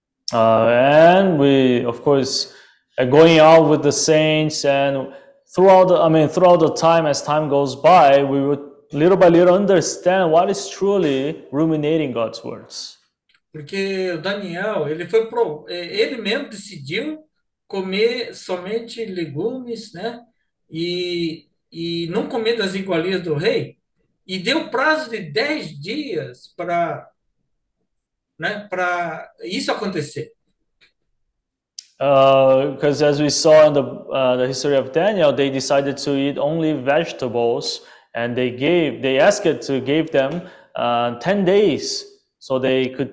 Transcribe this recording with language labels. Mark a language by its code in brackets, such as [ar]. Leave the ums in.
[en] Ah, uh, and we, of course, are going out with the saints and throughout the, I mean, throughout the time, as time goes by, we would little by little understand what is truly ruminating God's words. [pt] Porque o Daniel, ele foi pro, ele mesmo decidiu comer somente legumes, né? E, e não comer das iguarias do rei e deu prazo de 10 dias para né, pra isso acontecer. [en] Because, uh, as we saw in the, uh, the Daniel, they decided to eat only vegetables and they gave, they asked it to give them uh, 10 days so they